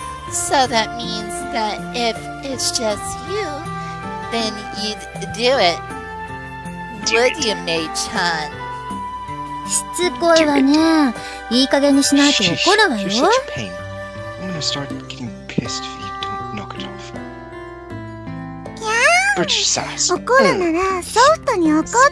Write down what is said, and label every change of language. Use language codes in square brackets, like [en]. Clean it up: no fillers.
[en] So that means that if it's just you, then you'd do it. Would you, Mei-chan? [ja] しつこいわね。いい加減にしないと怒るわよ。 [en] I'm gonna start getting pissed if you don't knock it off. Yeah. Sass. [ja] 怒るならソフトに怒って。